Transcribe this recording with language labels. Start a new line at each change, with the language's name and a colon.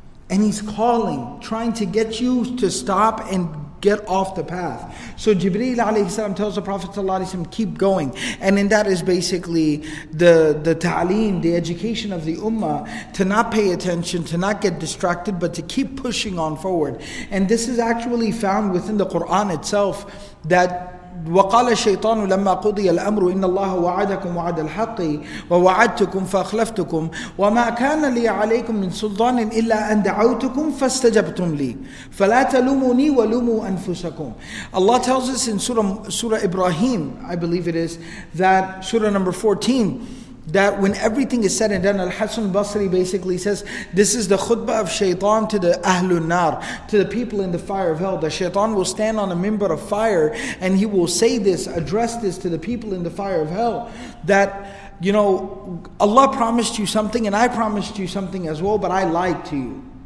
English: And he's calling, trying to get you to stop and get off the path. So Jibreel alayhi salam tells the Prophet sallallahu alayhi wa sallam, keep going. And then that is basically the ta'aleem, the education of the ummah, to not pay attention, to not get distracted, but to keep pushing on forward. And this is actually found within the Quran itself, that
Arabic: وَقَالَ الشَّيْطَانُ لَمَّا قُضِيَ الْأَمْرُ إِنَّ اللَّهَ وَعَدَكُمْ وَعَدَ الْحَقِّ وَوَعَدْتُكُمْ فَأَخْلَفْتُكُمْ وَمَا كَانَ لِيَ عَلَيْكُمْ مِنْ سُلْطَانٍ إِلَّا أَنْ دَعَوْتُكُمْ فَاسْتَجَبْتُمْ لِي فَلَا تَلُومُونِي وَلُومُوا أَنفُسَكُمْ.
English: Allah tells us in Surah Ibrahim, I believe it is, that Surah number 14, that when everything is said and done, Al-Hasan Basri basically says, this is the khutbah of shaitan to the Ahlul Nar, to the people in the fire of hell. The shaitan will stand on a minbar of fire and he will say this, address this to the people in the fire of hell, that, you know, Allah promised you something and I promised you something as well, but I lied to you.